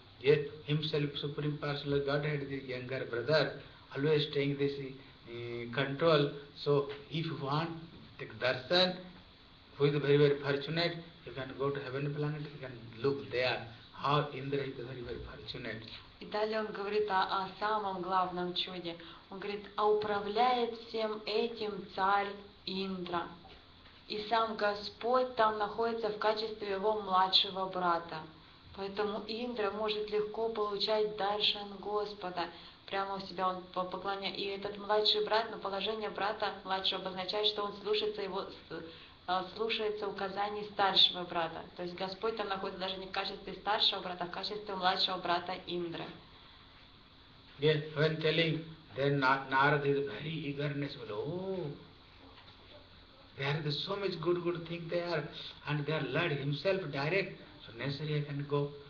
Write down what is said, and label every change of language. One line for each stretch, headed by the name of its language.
English: Yet himself, Supreme Personal Godhead, the younger brother, always taking this control. So if you want the darshan, who is very, very fortunate, you can go to heaven planet, you can look there. How Indra is very, very fortunate.
Russian: И далее он говорит о самом главном чуде. Он говорит, а управляет всем этим царь Индра. И сам Господь там находится в качестве его младшего брата. Поэтому Индра может легко получать даршан Господа прямо у себя, он поклоняет. И этот младший брат, но положение брата младшего обозначает, что он слушается его, слушается указаний старшего брата. То есть Господь там находится даже не в качестве старшего брата, а в качестве младшего брата Индры.
English: Yeah, when telling, then Narada is very eagerness, but oh, there are so much good thing there, and there Lord himself direct, so necessary I can go.